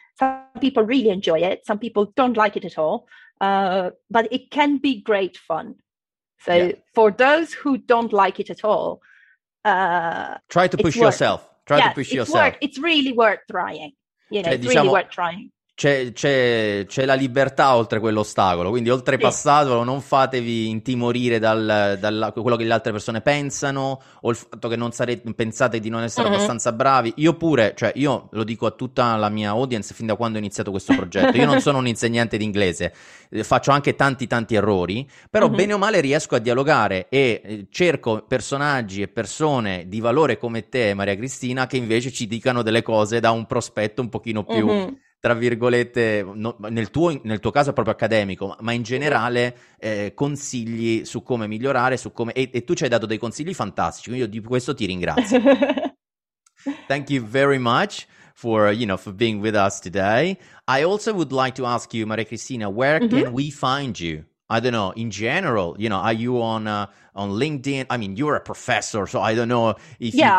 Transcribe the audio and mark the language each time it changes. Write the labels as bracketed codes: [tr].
[en] Some people really enjoy it. Some people don't like it at all. But it can be great fun. So for those who don't like it at all, try to push yourself. It's really worth trying. You know, really worth trying. [it] C'è la libertà oltre quell'ostacolo, quindi oltrepassatelo, non fatevi intimorire dal quello che le altre persone pensano o il fatto che pensate di non essere abbastanza bravi. Io pure, cioè, io lo dico a tutta la mia audience fin da quando ho iniziato questo progetto, io non sono un insegnante di inglese, faccio anche tanti tanti errori, però bene o male riesco a dialogare e cerco personaggi e persone di valore come te, Maria Cristina, che invece ci dicano delle cose da un prospetto un pochino più tra virgolette, no, nel tuo caso è proprio accademico, ma in generale consigli su come migliorare, su come, e tu ci hai dato dei consigli fantastici, quindi io di questo ti ringrazio. [en] Thank you very much for being with us today. I also would like to ask you, Maria Cristina, where can we find you? I don't know, in general, you know, are you on LinkedIn? I mean, you're a professor, so I don't know if